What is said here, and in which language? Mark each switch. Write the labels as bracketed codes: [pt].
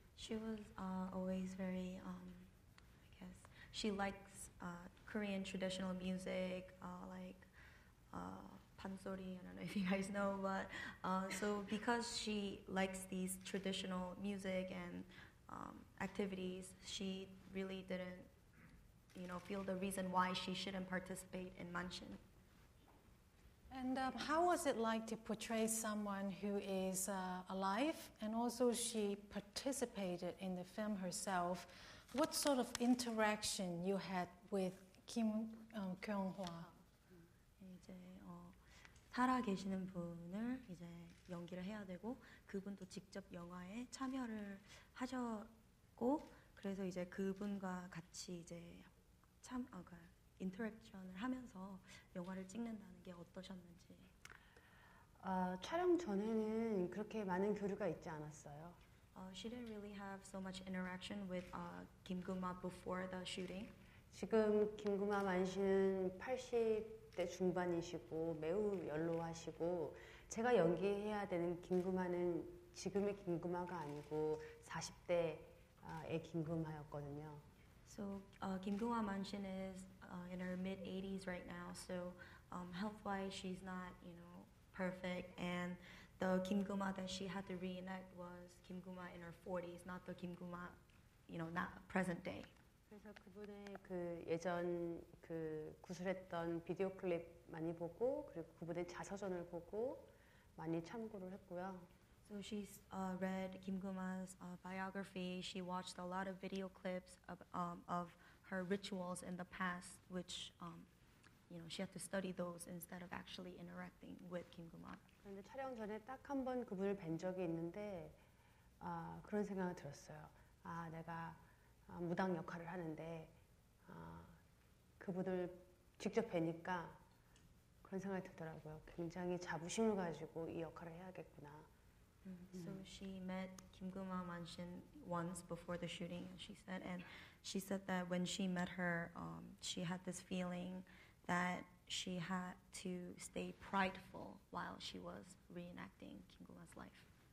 [en] She was always very, I guess, she likes Korean traditional music, like 판소리, I don't know if you guys know, but so because she likes these traditional music and activities, she really didn't, you know, feel the reason why she shouldn't participate in Manshin. And how was it like to portray someone who is alive and also she participated in the film herself? What sort of interaction you had with Kim Keum-hwa? [ko] 이제 살아 계시는 분을 이제 연기를 해야 되고 그분도 직접 영화에 참여를 하셨고 그래서 이제 그분과 같이 이제 참 인터랙션을 하면서 영화를 찍는다는 게 어떠셨는지. 촬영 전에는 그렇게 많은 교류가 있지 않았어요. [en] She didn't really have so much interaction with Kim Keum-hwa before the shooting. [ko] 지금 김구마 만신은 80대 중반이시고 매우 연로하시고 제가 연기해야 되는 김구마는 지금의 김구마가 아니고 40대의 김구마였거든요. [en] So Kim Keum-hwa Manshin is in her mid-80s right now. So health-wise, she's not, you know, perfect. And the Kim Keum-hwa that she had to reenact was Kim Keum-hwa in her 40s, not the Kim Keum-hwa, you know, not present day. [ko] 그래서 그분의 그 예전 그 구술했던 비디오 클립 많이 보고 그리고 그분의 자서전을 보고 많이 참고를 했고요. [en] So she's read Kim Keum-hwa's biography. She watched a lot of video clips of her rituals in the past, which you know, she had to study those instead of actually interacting with Kim Keum-hwa. [ko] 그런데 촬영 전에 딱 한 번 그분을 뵌 적이 있는데 그런 생각을 들었어요. 아, 내가 무당 역할을 하는데 그분을 직접 뵈니까 그런 생각이 들더라고요. 굉장히 자부심을 가지고 이 역할을 해야겠구나. [en] So she met Kim Keum-hwa Manshin once before the shooting, she said, and she said that when she met her, she had this feeling that she had to stay prideful while she was reenacting Kim Keum-hwa's life.